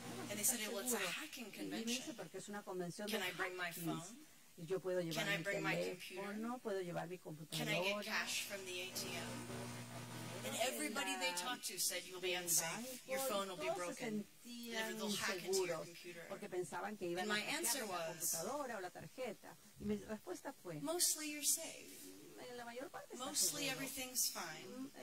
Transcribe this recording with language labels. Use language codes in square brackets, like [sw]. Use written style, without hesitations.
[en] And they said, well, it's a hacking convention. Can I bring my phone? [es] Yo puedo llevar mi teléfono, puedo llevar mi computadora. [en] Can I get cash from the ATM? And everybody they talked to said you'll be unsafe. Your phone will be broken. They'll hack into your computer. [es] Porque pensaban que iban a hackear la computadora o la tarjeta. Y mi respuesta fue, [en] mostly you're safe. [es] En la mayor parte está [en] mostly [es] todo. [en] Everything's fine.